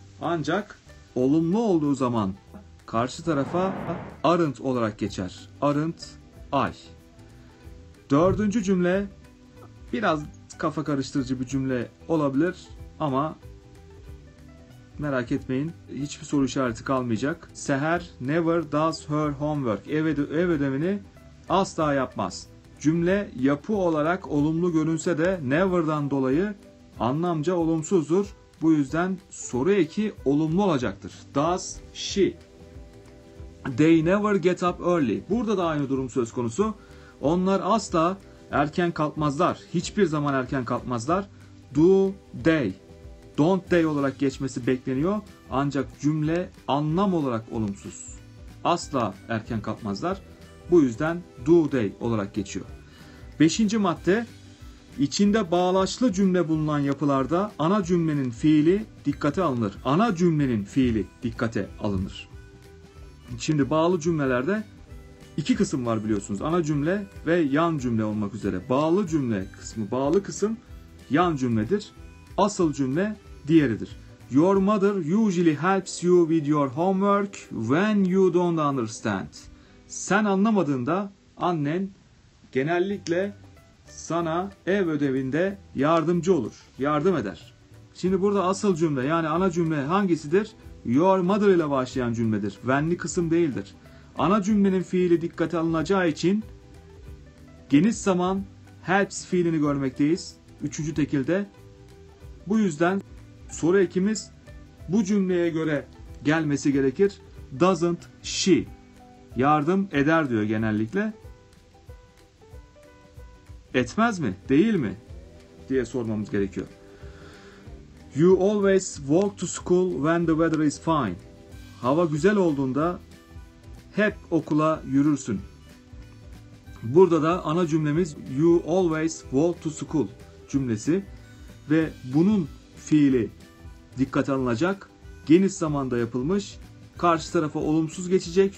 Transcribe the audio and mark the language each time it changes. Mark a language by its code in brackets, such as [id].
[tr] Ancak olumlu olduğu zaman karşı tarafa aren't olarak geçer. [en] Aren't I? [tr] Dördüncü cümle biraz kafa karıştırıcı bir cümle olabilir. Ama merak etmeyin, hiçbir soru işareti kalmayacak. [en] Seher never does her homework. [tr] Ev ödevini asla yapmaz. Cümle yapı olarak olumlu görünse de never'dan dolayı anlamca olumsuzdur. Bu yüzden soru eki olumlu olacaktır. [en] Does she? They never get up early. [tr] Burada da aynı durum söz konusu. Onlar asla erken kalkmazlar. Hiçbir zaman erken kalkmazlar. [en] Do they? Don't they [tr] olarak geçmesi bekleniyor. Ancak cümle anlam olarak olumsuz. Asla erken kalkmazlar. Bu yüzden [en] do they [tr] olarak geçiyor. Beşinci madde. İçinde bağlaçlı cümle bulunan yapılarda ana cümlenin fiili dikkate alınır. Ana cümlenin fiili dikkate alınır. Şimdi bağlı cümlelerde iki kısım var biliyorsunuz. Ana cümle ve yan cümle olmak üzere. Bağlı cümle kısmı, bağlı kısım yan cümledir. Asıl cümle diğeridir. [en] Your mother usually helps you with your homework when you don't understand. [tr] Sen anlamadığında annen genellikle sana ev ödevinde yardımcı olur, yardım eder. Şimdi burada asıl cümle, yani ana cümle hangisidir? Your mother ile başlayan cümledir. When'li kısım değildir. Ana cümlenin fiili dikkate alınacağı için geniş zaman helps fiilini görmekteyiz. Üçüncü tekilde. Bu yüzden soru ekimiz bu cümleye göre gelmesi gerekir. [en] Doesn't she? [tr] Yardım eder diyor genellikle. Etmez mi? Değil mi? Diye sormamız gerekiyor. [en] You always walk to school when the weather is fine. [tr] Hava güzel olduğunda hep okula yürürsün. Burada da ana cümlemiz [en] you always walk to school [tr] cümlesi. Ve bunun fiili dikkate alınacak. Geniş zamanda yapılmış. Karşı tarafa olumsuz geçecek.